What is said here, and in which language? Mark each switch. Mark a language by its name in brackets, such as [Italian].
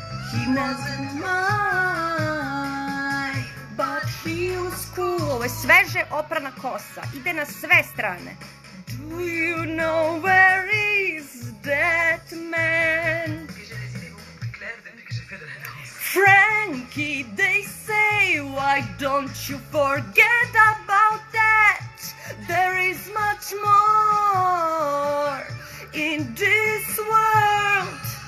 [English] He wasn't my, but she was cool. [Serbian] Ovo je sveže oprana kosa, ide na sve strane. [English] Do you know where is that man? Frankie, they say, why don't you forget about that? There is much more in this world.